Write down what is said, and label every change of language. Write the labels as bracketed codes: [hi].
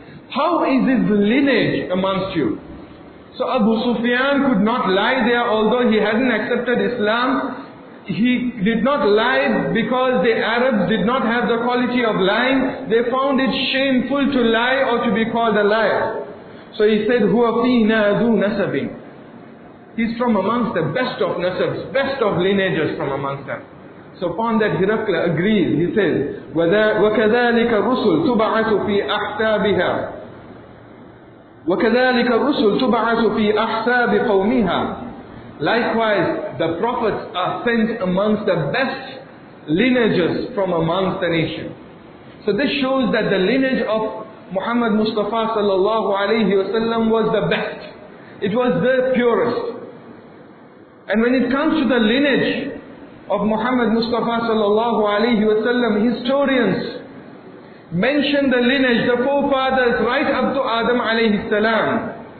[en] How is his lineage amongst you? So Abu Sufyan could not lie there, although he hadn't accepted Islam. He did not lie because the Arabs did not have the quality of lying. They found it shameful to lie or to be called a liar. So he said, [ar] هُوَ فِينَا ذُو نَسَبٍ. [en] He's from amongst the best of nasabs, best of lineages from amongst them. So upon that Hirqal agrees, he says, [ar] وَكَذَلِكَ الرُّسُلُ تُبَعَثُ فِي أَحْسَابِهَا وَكَذَلِكَ الرُّسُلُ تُبَعَثُ فِي أَحْسَابِ قَوْمِهَا. [en] Likewise, the prophets are sent amongst the best lineages from amongst the nation. So this shows that the lineage of Muhammad Mustafa sallallahu alayhi wa sallam was the best. It was the purest. And when it comes to the lineage of Muhammad Mustafa sallallahu alayhi wa sallam, historians mention the lineage, the forefathers, right up to Adam alayhi salam.